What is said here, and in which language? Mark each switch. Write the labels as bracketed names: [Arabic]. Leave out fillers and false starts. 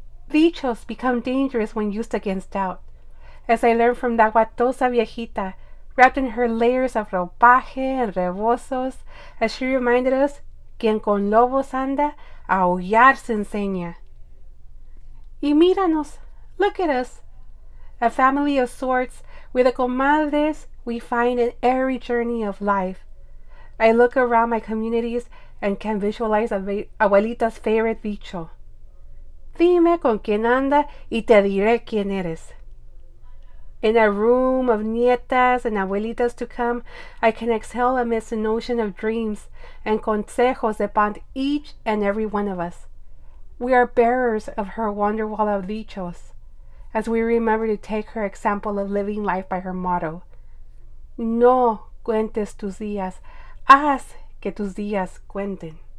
[English] Dichos become dangerous when used against doubt, as I learned from that [Spanish] guatosa viejita [English] wrapped in her layers of ropaje and rebozos, as she reminded us, [Spanish] quien con lobos anda, aullar se enseña. Y míranos, [English] look at us, a family of sorts with the comadres we find in every journey of life. I look around my communities and can visualize abuelita's favorite dicho. [Spanish] Dime con quién anda y te diré quién eres. [English] In a room of nietas and abuelitas to come, I can exhale amidst an ocean of dreams and consejos that bond each and every one of us. We are bearers of her wonderwall of dichos, as we remember to take her example of living life by her motto. [Spanish] No cuentes tus días, haz que tus días cuenten.